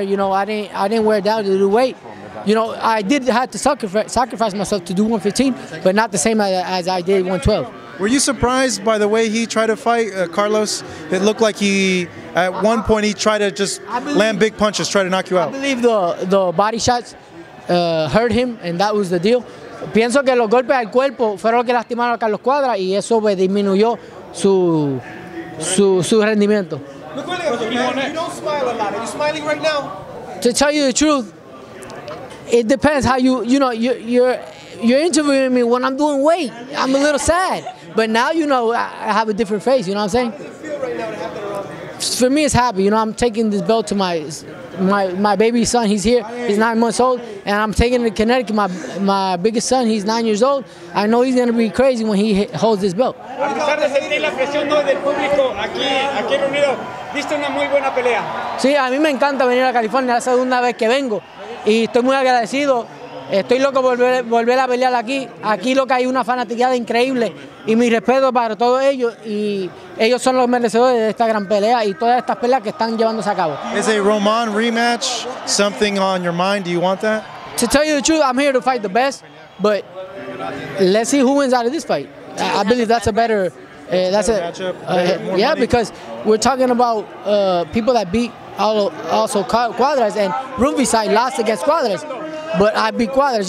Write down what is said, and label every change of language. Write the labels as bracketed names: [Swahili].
[English] You know, I didn't wear down to the weight. You know, I did have to sacrifice myself to do 115, but not the same as I did 112. Were you surprised by the way he tried to fight Carlos? It looked like he, at one point, he tried to just land big punches, try to knock you out. I believe the body shots hurt him, and that was the deal. [Spanish] Pienso que los golpes al cuerpo fueron los que lastimaron a Carlos Cuadra y eso disminuyó su rendimiento. [English] To tell you the truth, it depends how you know, you're interviewing me when I'm doing weight. I'm a little sad. But now, you know, I have a different face, you know what I'm saying? How does it feel right now to have that around? For me, it's happy. You know, I'm taking this belt to my baby son. He's here. He's 9 months old, and I'm taking him to Connecticut. My biggest son, he's 9 years old. I know he's going to be crazy when he holds this belt. [Spanish] A pesar de sentir la presión del público aquí reunido, viste una muy buena pelea. Sí, a mí me encanta venir a California. Es la segunda vez que vengo, y estoy muy agradecido. Estoy loco volver a pelear aquí. Aquí lo que hay una fanaticada increíble, y mi respeto para todos ellos, y ellos son los merecedores de esta gran pelea y todas estas peleas que están llevándose a cabo. [English] Is a Roman rematch something on your mind? Do you want that? To tell you the truth, I'm here to fight the best, but let's see who wins out of this fight. I believe that's a better matchup. Yeah, because we're talking about people that beat also Cuadras, and Rungvisai lost against Cuadras. But I beat Cuadras.